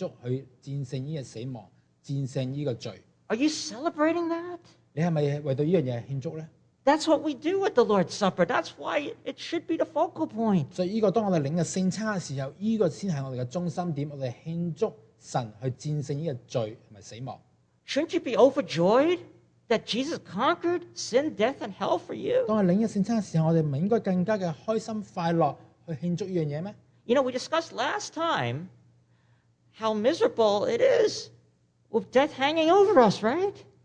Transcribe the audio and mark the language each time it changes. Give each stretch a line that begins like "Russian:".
Chinese: 我们就庆祝什么?就是庆祝他战胜这个死亡,战胜这个罪。
English: Are you celebrating that?
Chinese: 你是不是为了这件事庆祝呢?
English: That's what we do at the Lord's Supper. That's why it should be the focal point.
Chinese: 所以这个当我们领了圣餐的时候, 这个才是我们的中心点, 我们庆祝神去战胜这个罪和死亡。
English: Shouldn't you be overjoyed that Jesus conquered sin, death, and hell for you?
Chinese: 当我们领了圣餐的时候, 我们不应该更加的开心快乐去庆祝这件事吗?
English: You know, we discussed last time how miserable it is with death hanging over us, right?